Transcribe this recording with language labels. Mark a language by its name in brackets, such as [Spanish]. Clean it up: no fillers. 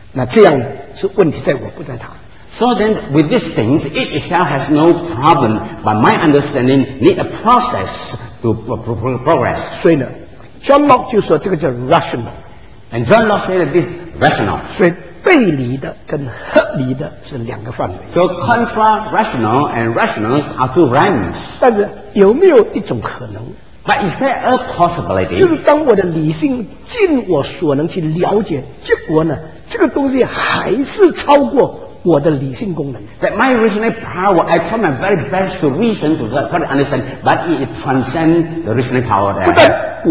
[Chinese] 所以呢,这个本身就不需要改变,而我理性的功能跟理性对这个真理本身的了解需要一个进程,那这样是问题在我不在他。 [English] So then, with these things, it itself has no problem, but my understanding need a process to progress. [Chinese] 所以呢, John Locke 就说这个叫 rational, [English] and John Locke said that this rational. [Chinese] 所以背离的跟合理的是两个范围。 [English] So contra rational and rationals are two realms. [Chinese] 但是有没有一种可能? [English] But is there a possibility? [Chinese] 就是当我的理性尽我所能去了解，结果呢，这个东西还是超过。我的理性功能, [English] that my reasoning power, I try my very best to reason, to try to understand, but it transcends the reasoning power that I have.